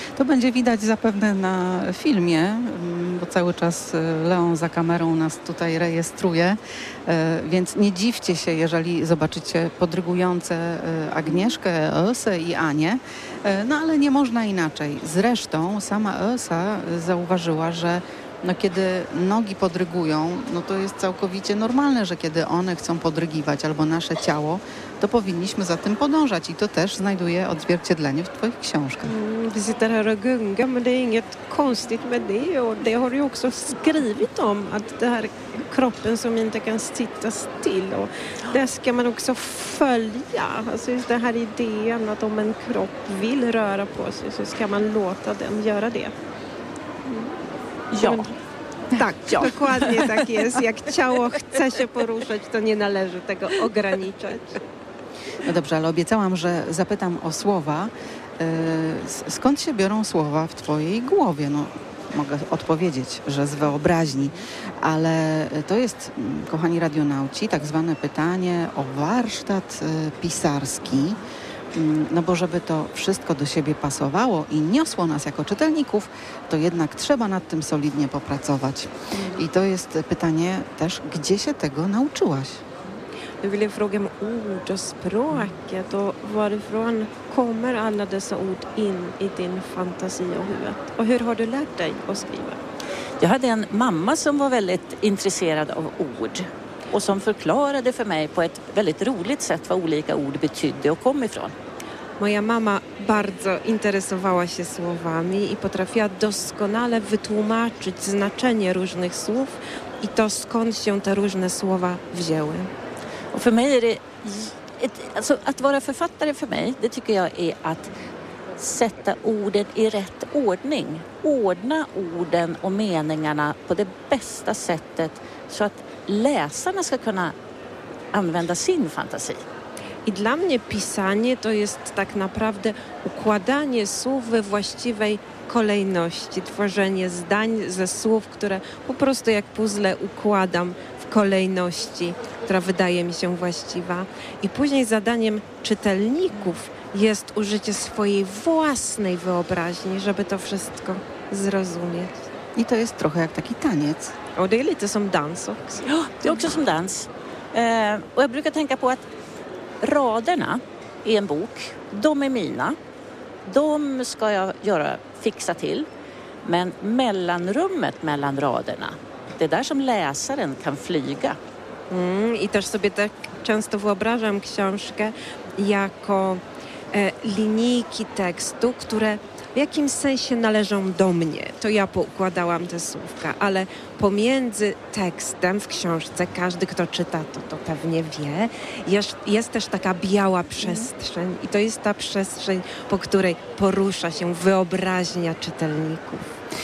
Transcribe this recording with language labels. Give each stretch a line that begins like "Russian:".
Polish: To będzie widać zapewne na filmie, bo cały czas Leon za kamerą nas tutaj rejestruje, więc nie dziwcie się, jeżeli zobaczycie podrygujące Agnieszkę, Elsę i Anię, no ale nie można inaczej. Zresztą sama Elsa zauważyła, że no kiedy nogi podrygują, no to jest całkowicie normalne, że kiedy one chcą podrygiwać albo nasze ciało, to powinniśmy za tym podążać i to też znajduje odzwierciedlenie w twoich książkach.
Swedish: Vi sitter här och gunga, men det är inget konstigt med det och det har du också skrivit om att det här kroppen som inte kan sitta still och det ska man också följa. Alltså just den här idén att om en kropp vill röra på sig så ska man låta den göra det. Ja.
Polish: Tak, ja. Dokładnie tak jest. Jak ciało chce się poruszać, to nie należy tego ograniczać. No dobrze, ale obiecałam, że zapytam o słowa. Skąd się biorą słowa w twojej głowie? No, mogę odpowiedzieć, że z wyobraźni, ale to jest, kochani radionauci, tak zwane pytanie o warsztat pisarski. No bo żeby to wszystko do siebie pasowało i niosło nas jako czytelników, to jednak trzeba nad tym solidnie popracować. I to jest pytanie też, gdzie się tego nauczyłaś?
Swedish: Jag ville fråga om ord och språket och varifrån kommer alla dessa ord in i din fantasi och huvud? Och hur har du lärt dig att skriva? Jag hade en mamma som var väldigt intresserad av ord. Och som förklarade för mig på ett väldigt roligt sätt vad olika ord betydde och kom ifrån.
Polish: Moja mama bardzo interesowała się słowami i potrafiła doskonale wytłumaczyć znaczenie różnych słów i to skąd się te różne słowa wzięły.
Swedish: Och för mig är det, alltså att vara författare för mig, det tycker jag är att sätta orden i rätt ordning. Ordna orden och meningarna på det bästa sättet så att läsarna ska kunna använda sin fantasi.
Polish: I dla mnie pisanie to jest tak naprawdę układanie słów we właściwej kolejności, tworzenie zdań ze słów, które po prostu jak puzzle układam w kolejności, która wydaje mi się właściwa. I później zadaniem czytelników jest użycie swojej własnej wyobraźni, żeby to wszystko zrozumieć. I to jest trochę jak taki taniec.
Swedish: Och det är lite som dans också. Ja, det är också som dans. Och jag brukar tänka på att raderna i en bok, de är mina. De ska jag göra, fixa till. Men mellanrummet mellan raderna, det är där som läsaren kan flyga.
Polish: Mm, i też sobie tak często wyobrażam książkę jako linijki tekstu, które w jakim sensie należą do mnie, to ja poukładałam te słówka, ale pomiędzy tekstem w książce, każdy kto czyta to pewnie wie, jest też taka biała przestrzeń i to jest ta przestrzeń, po której porusza się wyobraźnia czytelników.